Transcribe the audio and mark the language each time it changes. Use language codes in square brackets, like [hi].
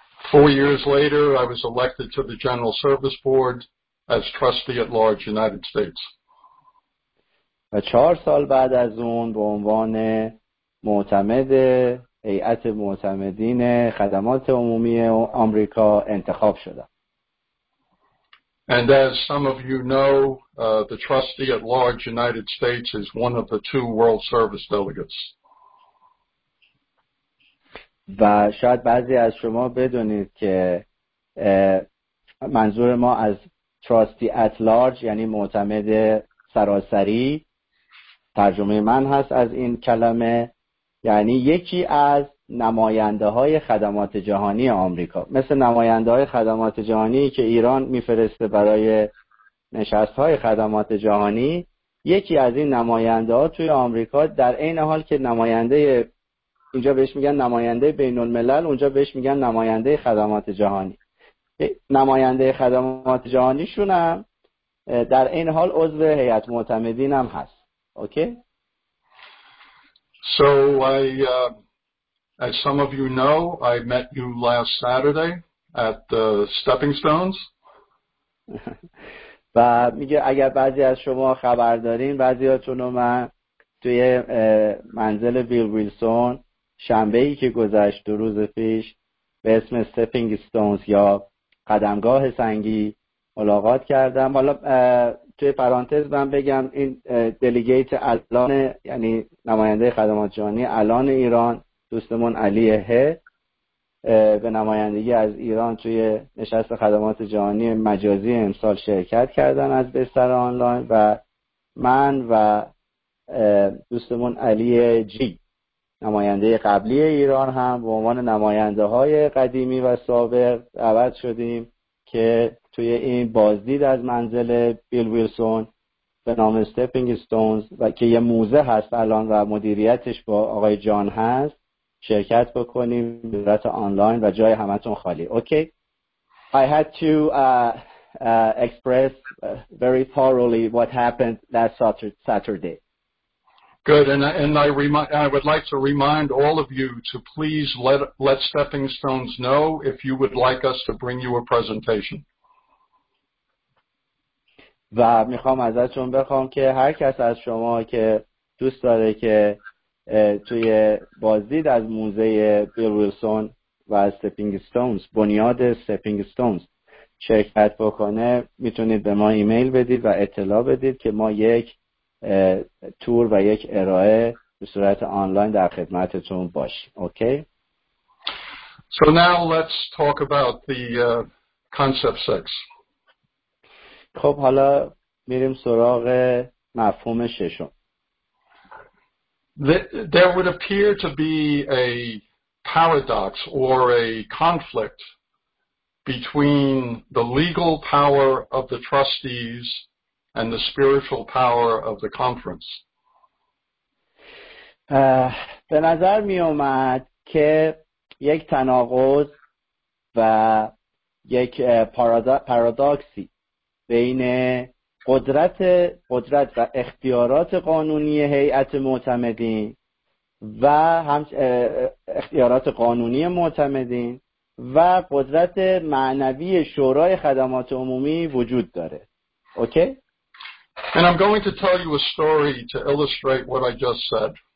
[en] 4 years later I was elected to the General Service Board as trustee at large United States. [fa] و 4 سال بعد از اون به عنوان معتمد هیئت معتمدین خدمات عمومی آمریکا انتخاب شدم. [en] And as some of you know, the trustee at large United States is one of the two World Service Delegates. [fa] و شاید بعضی از شما بدونید که منظور ما از trustee at large یعنی معتمد سراسری، ترجمه من هست از این کلمه، یعنی یکی از نماینده های خدمات جهانی آمریکا، مثل نماینده های خدمات جهانی که ایران میفرسته برای نشست های خدمات جهانی، یکی از این نماینده ها توی آمریکا در این حال که نماینده، اینجا بهش میگن نماینده بین الملل، اونجا بهش میگن نماینده خدمات جهانی، نماینده خدمات جهانیشون هم در این حال عضو هیئت معتمدین هم هست. اوکی؟ [en] So As some of you know, I met you last Saturday at the Stepping Stones. [fa] و میگه اگر بعضی از شما خبر دارین، بعضیاتون رو من توی منزل ویل ویلسون شنبه‌ای که گذشت دو روز پیش به اسم Stepping Stones یا قدمگاه سنگی ملاقات کردم. حالا توی پرانتز من بگم این دلیگیت الان، یعنی نماینده خدمات جهانی الان ایران، دوستمون علی ه به نمایندگی از ایران توی نشست خدمات جهانی مجازی امسال شرکت کردن از بستر آنلاین و من و دوستمون علی جی نماینده قبلی ایران هم به عنوان نماینده های قدیمی و سابق دعوت شدیم که توی این بازدید از منزل بیل ویلسون به نام استپینگ استونز و که یه موزه هست الان و مدیریتش با آقای جان هست شرکت بکنیم به صورت آنلاین و جای همتون خالی. اوکی. [en] I had to express very thoroughly what happened last Saturday. Good, and I would like to remind all of you to please let Stepping Stones know if you would like us to bring you a presentation. [fa] و میخوام ازتون بخوام که هر کس از شما که دوست داره که توی بازدید از موزه بیل ویلسون و استپینگ استونز، بنیاد استپینگ استونز شرکت بکنه، میتونید به ما ایمیل بدید و اطلاع بدید که ما یک تور و یک ارائه به صورت آنلاین در خدمتتون باشیم. اوکی؟ [en] So now let's talk about the concept six. [fa] خب حالا میریم سراغ مفهوم ششم. [en] There would appear to be a paradox or a conflict between the legal power of the trustees and the spiritual power of the conference. [fa] به نظر می اومد که یک تناقض و یک پارادوکسی بین قدرت و اختیارات قانونی هیئت معتمدین و هم اختیارات قانونی معتمدین و قدرت معنوی شورای خدمات عمومی وجود داره. اوکی؟ [en] And I'm going to tell you a story to illustrate what I just said.